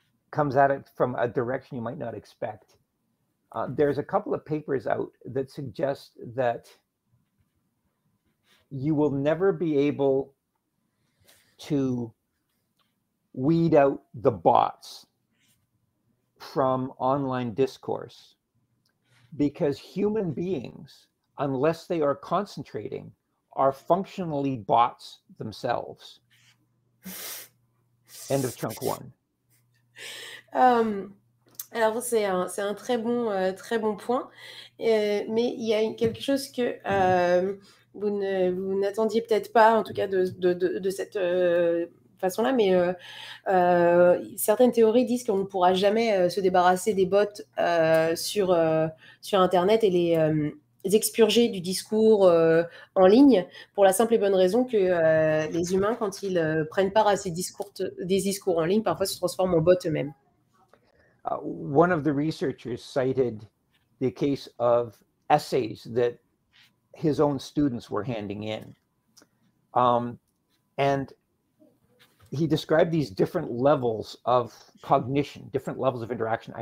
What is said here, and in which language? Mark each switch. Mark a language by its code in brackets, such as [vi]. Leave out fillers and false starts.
[en] Comes at it from a direction you might not expect. There's a couple of papers out that suggest that you will never be able to weed out the bots from online discourse because human beings, unless they are concentrating, are functionally bots themselves. End of chunk one. [fr] Alors c'est un très bon point, mais il y a quelque chose que vous n'attendiez peut-être pas, en tout cas de cette façon-là, mais certaines théories disent qu'on ne pourra jamais se débarrasser des bots sur Internet et les expurger du discours en ligne, pour la simple et bonne raison que les humains, quand ils prennent part à ces discours, des discours en ligne, parfois se transforment en bots eux-mêmes. [en] One of the researchers cited the case of essays that his own students were handing in. And he described these different levels of cognition, different levels of interaction.